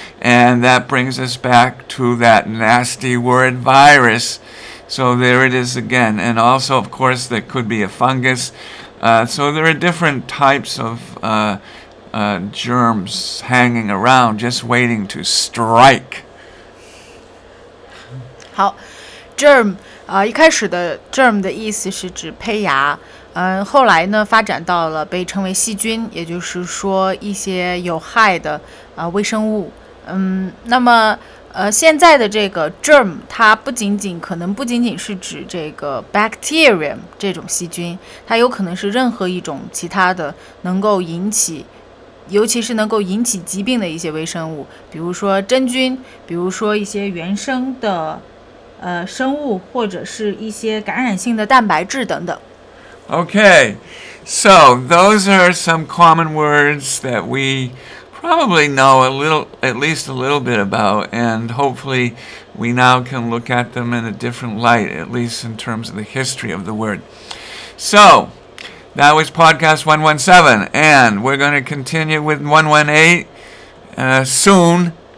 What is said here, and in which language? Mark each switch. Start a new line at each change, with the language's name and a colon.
English: And that brings us back to that nasty word virus. So there it is again. And also, of course, there could be a fungus. So there are different types of germs hanging around, just waiting to strike.
Chinese: 好 germ. 一开始的 germ 的意思是指胚芽，后来呢发展到了被称为细菌，也就是说一些有害的微生物。那么现在的这个 germ 它不仅仅是指这个 bacterium 这种细菌，它有可能是任何一种其他的能够引起，尤其是能够引起疾病的一些微生物，比如说真菌，比如说一些原生的生物或者是一些感染性的蛋白质等等。
English: Okay, so those are some common words that we probably know at least a little bit about, and hopefully we now can look at them in a different light, at least in terms of the history of the word. So that was podcast 117, and we're going to continue with 118 soon.